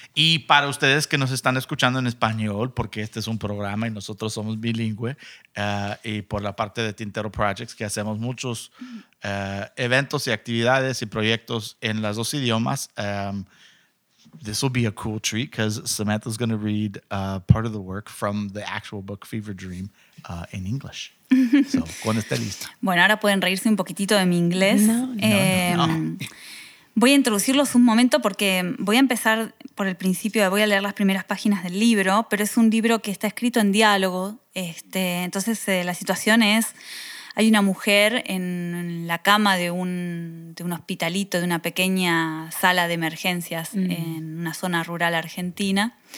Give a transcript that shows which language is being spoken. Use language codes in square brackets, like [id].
[es] Y para ustedes que nos están escuchando en español, porque este es un programa y nosotros somos bilingüe, y por la parte de Tintero Projects, que hacemos muchos eventos y actividades y proyectos en los dos idiomas, [en] this will be a cool treat because Samantha's going to read part of the work from the actual book Fever Dream in English. [es] So, cuando esté lista. Bueno, ahora pueden reírse un poquitito de mi inglés. No. Voy a introducirlos un momento porque voy a empezar por el principio. Voy a leer las primeras páginas del libro, pero es un libro que está escrito en diálogo. Entonces, la situación es, hay una mujer en la cama de un hospitalito, de una pequeña sala de emergencias en una zona rural argentina.